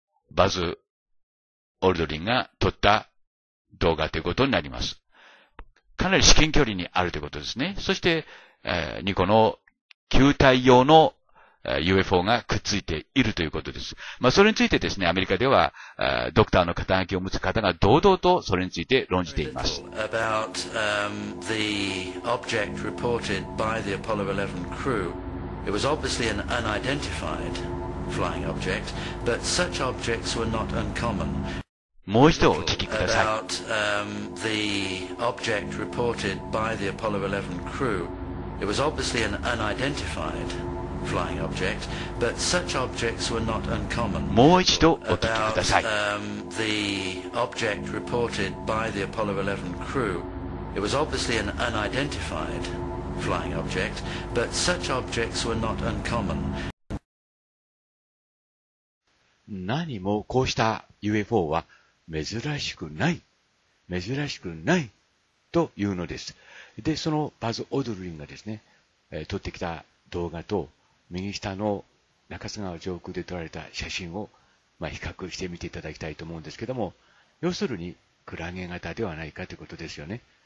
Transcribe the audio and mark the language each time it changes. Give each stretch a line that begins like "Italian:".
Japanese: バズ・オルドリンが撮った動画ということになります。かなり至近距離にあるということですね。そして、ニコの球体用のUFO がくっついているということです。まあ、それについてですね、アメリカでは、ドクターの肩書きを持つ方が堂々とそれについて論じています。
English: About, the object reported by the Apollo 11 crew. It was obviously an unidentified flying object, but such objects were not uncommon.
Japanese: もう一度お聞きください。
English: About, the object reported by the Apollo 11 crew. It was obviously an unidentifiedflying object, but such objects were not uncommon.
Japanese: もう一度お聞きください。
English: About, the object reported by the Apollo 11 crew. It was obviously an unidentified flying object, but such objects were not uncommon.
Japanese: 何もこうした UFO は珍しくない、珍しくないというのです。で、そのバズ・オドリンがですね、撮ってきた動画と右下の中津川上空で撮られた写真を、まあ、比較してみていただきたいと思うんですけども、要するにクラゲ型ではないかということですよね。